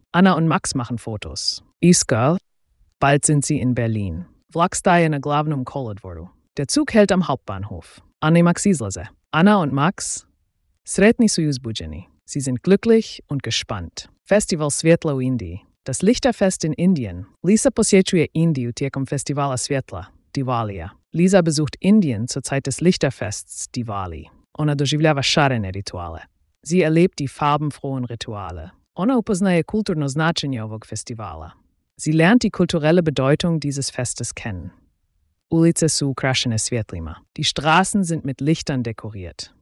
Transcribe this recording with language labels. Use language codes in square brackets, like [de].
[de] Anna und Max machen Fotos. Isgirl. Bald sind sie in Berlin. [hr] Vlak staje na glavnom kolodvoru. [de] Der Zug hält am Hauptbahnhof. [hr] Anna i Max izlaze. [de] Anna und Max. [hr] Sretni su uzbuđeni. [de] Sie sind glücklich und gespannt. [hr] Festival Svjetla u Indiji. [de] Das Lichterfest in Indien. [hr] Lisa posjećuje Indiju tijekom Festivala Svjetla, Diwalija. [de] Lisa besucht Indien zur Zeit des Lichterfests Diwali. [hr] Ona doživljava šarene rituale. [de] Sie erlebt die farbenfrohen Rituale. [hr] Ona upoznaje kulturno značenje ovog festivala. [de] Sie lernt die kulturelle Bedeutung dieses Festes kennen. [hr] Ulice su ukrašene svjetlima. [de] Die Straßen sind mit Lichtern dekoriert.